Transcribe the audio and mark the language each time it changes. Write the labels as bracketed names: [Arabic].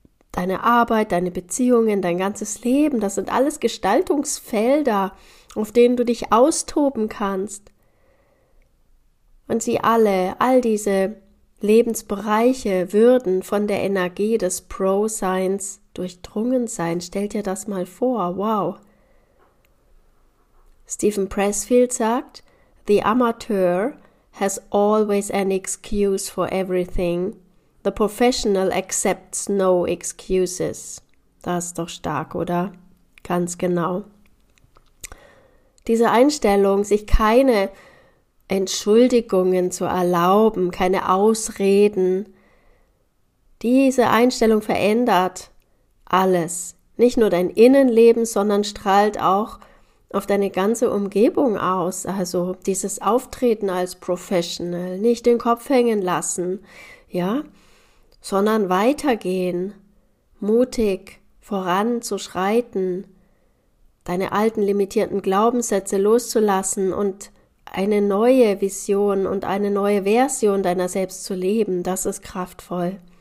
[German] Deine Arbeit, deine Beziehungen, dein ganzes Leben, das sind alles Gestaltungsfelder, auf denen du dich austoben kannst. Und sie alle, all diese Lebensbereiche würden von der Energie des Pro-Seins durchdrungen sein. Stell dir das mal vor, wow. Stephen Pressfield sagt, [English] the amateur has always an excuse for everything. The professional accepts no excuses. [German] Das ist doch stark, oder? Ganz genau. Diese Einstellung, sich keine Entschuldigungen zu erlauben, keine Ausreden, diese Einstellung verändert alles. Nicht nur dein Innenleben, sondern strahlt auch auf deine ganze Umgebung aus, also dieses Auftreten als Professional, nicht den Kopf hängen lassen, ja, sondern weitergehen, mutig voranzuschreiten, deine alten limitierten Glaubenssätze loszulassen und eine neue Vision und eine neue Version deiner selbst zu leben, das ist kraftvoll.